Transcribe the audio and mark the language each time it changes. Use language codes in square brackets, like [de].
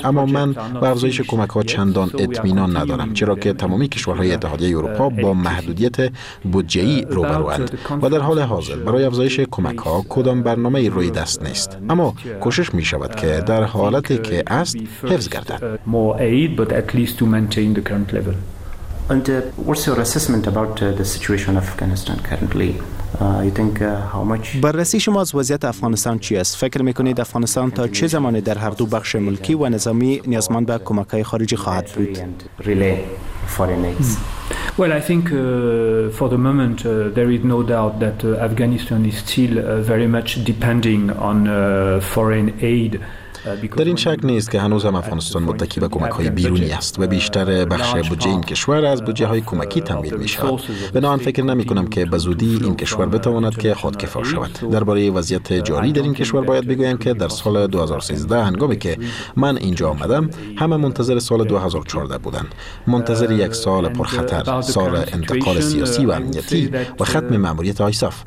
[fa] اما من ارزش کمک ها چندان اطمینان ندارم، چرا که تمامی کشورهای اتحادیه اروپا با محدودیت بودجه ای روبرو هستند و در حال حاضر برای افزایش کمک ها کدام برنامه ای روی دست نیست، اما کوشش می شود که در حالتی که است حفظ گردد. [en] And what's your assessment about the situation of Afghanistan currently? You think how much? [fa] بررسی شما از وضعیت افغانستان چی است؟ فکر میکنید افغانستان تا چه زمانی در هر دو بخش ملکی و نظامی نیازمند به کمک‌های خارجی خواهد بود؟ [en] Well, I think for the moment there is no doubt that Afghanistan is still very much depending on foreign aid. [fa] در این شک نیست که هنوز هم افغانستان متکی به کمک های بیرونی است و بیشتر بخش بودجه این کشور از بودجه های کمکی تمویل می شود. بنابراین فکر نمی کنم که به زودی این کشور بتواند که خودکفا شود. درباره وضعیت جاری در این کشور باید بگویم که در سال 2013 هنگامی که من اینجا آمدم، همه منتظر سال 2014 بودند، منتظر یک سال پرخطر، سال انتقال سیاسی و امنیتی و ختم ماموریت آیساف.